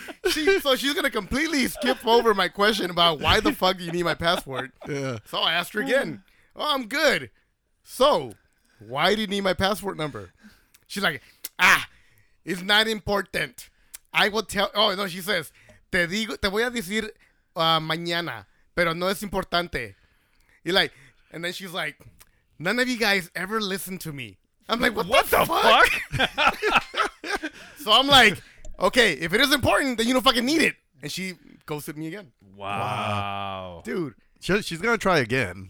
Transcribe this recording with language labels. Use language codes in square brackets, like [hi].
[en] She's gonna completely skip over my question about why the fuck do you need my passport? Yeah. So I asked her again. Oh, I'm good. So, why do you need my passport number? She's like, it's not important. I will tell. Oh no, she says, [es] "Te digo, te voy a decir mañana, pero no es importante." [en] You're like, and then she's like, "None of you guys ever listen to me." I'm like, "What the fuck?" So I'm like, "Okay, if it is important, then you don't fucking need it." And she ghosted me again. Wow, dude. She's gonna try again.